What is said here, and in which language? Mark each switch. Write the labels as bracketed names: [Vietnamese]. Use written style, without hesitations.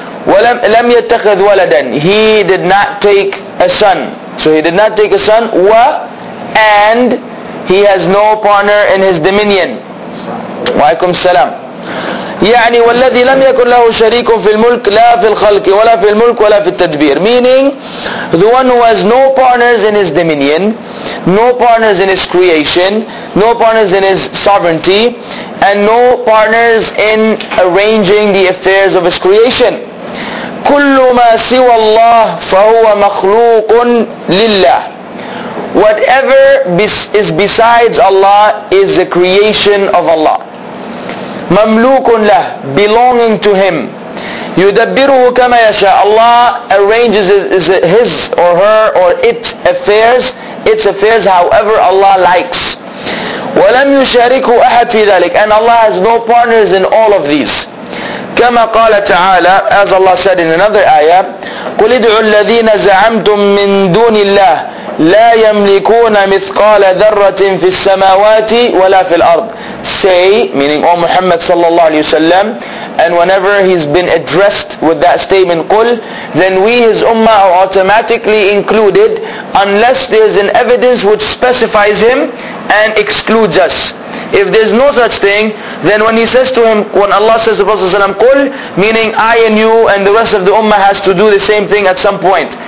[Arabic] ولم يتخذ ولدا, [English] he did not take a son. So he did not take a son. And he has no partner in his dominion. [Arabic] وعليكم السلام. يعني والذي لم يكن له شريك في الملك لا في الخلق ولا في الملك ولا في التدبير. [English] Meaning, the one who has no partners in his dominion, no partners in his creation, no partners in his sovereignty, and no partners in arranging the affairs of his creation. [Arabic] كل ما سوى الله فهو مخلوق لله. [English] Whatever is besides Allah is a creation of Allah. [Arabic] مَمْلُوكٌ لَهْ, [English] belonging to Him. [Arabic] يُدَبِّرُهُ كَمَا يَشَاءُ, [English] Allah arranges His or her or its affairs however Allah likes. [Arabic] وَلَمْ يُشَارِكُ أَحَدْ فِي ذَلِكَ, [English] and Allah has no partners in all of these. [Arabic] كَمَا قَالَ تَعَالَى, [English] as Allah said in another ayah, [Arabic] قُلِدْعُوا الَّذِينَ زَعَمْتُمْ مِنْ دُونِ اللَّهِ لا يملكون مثقال ذرة في السماوات ولا في الأرض. [English] Say, meaning O Muhammad sallallahu alayhi wa sallam, and whenever he's been addressed with that statement, قل, then we his ummah are automatically included unless there's an evidence which specifies him and excludes us. If there's no such thing, then when he says to him, when Allah says to the Prophet sallallahu alayhi wa sallam, قل, meaning I and you and the rest of the ummah has to do the same thing at some point.